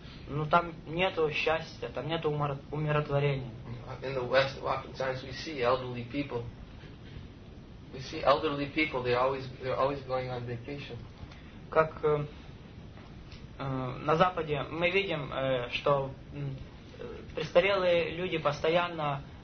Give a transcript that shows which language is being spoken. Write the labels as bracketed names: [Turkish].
[Russian] Но там нету счастья, там нету умиротворения. [English] In the West, oftentimes we see elderly people. We see elderly people. They're always going on vacation. [Russian] Как на Западе мы видим, что престарелые люди постоянно.